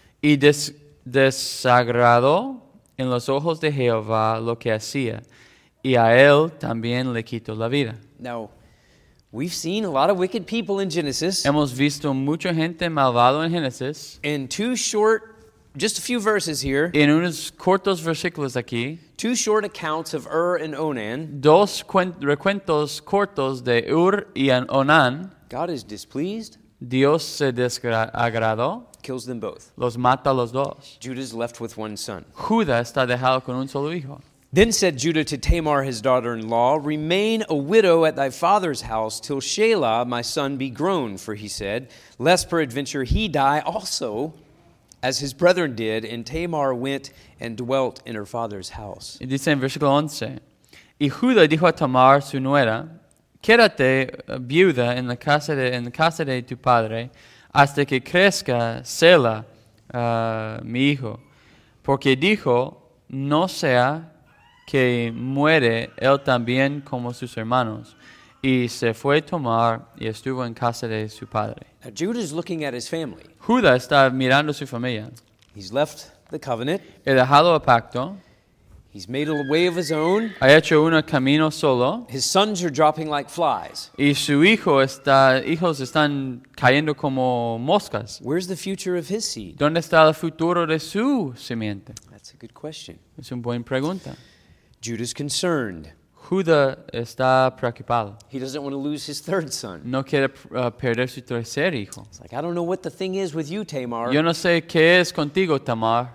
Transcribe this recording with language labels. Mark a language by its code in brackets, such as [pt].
[es] Y desagradó en los ojos de Jehová lo que hacía, y a él también le quitó la vida. [en] Now, we've seen a lot of wicked people in Genesis. [es] Hemos visto mucha gente malvado en Genesis. [en] In two short, just a few verses here. [es] En unos cortos versículos aquí. [en] Two short accounts of Ur and Onan. [es] Dos recuentos cortos de Ur y Onan. [en] God is displeased. [es] Dios se desagradó. [en] Kills them both. [es] Los mata los dos. [en] Judah is left with one son. [es] Judá está dejado con un solo hijo. [en] Then said Judah to Tamar, his daughter-in-law, remain a widow at thy father's house till Shelah, my son, be grown. For he said, lest peradventure he die also, as his brethren did. And Tamar went and dwelt in her father's house. [es] Y dice en versículo 11, y Judah dijo a Tamar, su nuera, quédate viuda en la casa de tu padre hasta que crezca Shelah, mi hijo. Porque dijo, no sea que muere él también como sus hermanos. Y se fue a tomar y estuvo en casa de su padre. [en] Now, Judah is looking at his family. [es] Judá está mirando su familia. [en] He's left the covenant. [es] He dejado el pacto. [en] He's made a way of his own. [es] Ha hecho un camino solo. [en] His sons are dropping like flies. [es] Y su hijo está, hijos están cayendo como moscas. [en] Where's the future of his seed? [es] ¿Dónde está el futuro de su simiente? [en] That's a good question. [es] Es una buena pregunta. [en] Judah's concerned. [es] Judá está preocupado. [en] He doesn't want to lose his third son. [es] No quiere perder su tercer hijo. [en] It's like, I don't know what the thing is with you, Tamar. [es] Yo no sé qué es contigo, Tamar.